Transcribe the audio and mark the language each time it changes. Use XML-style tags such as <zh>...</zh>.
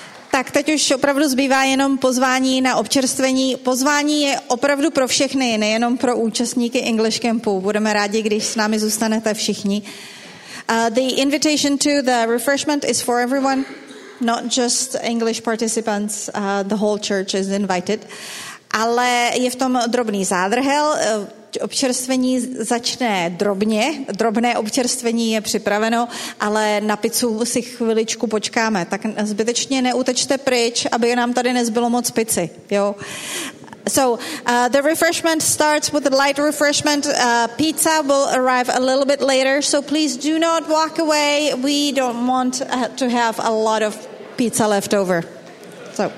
<cs>tak teď už opravdu zbývá jenom pozvání na občerstvení. Pozvání je opravdu pro všechny, nejenom pro účastníky English Campu. Budeme rádi, když s námi zůstanete všichni.</cs> <en>The invitation to the refreshment is for everyone, not just English participants. The whole church is invited.</en> <cs>Ale je v tom drobný zádrhel. Občerstvení začne drobně, drobné občerstvení je připraveno, ale na pizzu si chviličku počkáme. Tak zbytečně neutečte pryč, aby nám tady nezbylo moc pizzy. Jo?</cs> <en>So, the refreshment starts with a light refreshment. Pizza will arrive a little bit later, so please do not walk away. We don't want to have a lot of pizza left over. So.</en>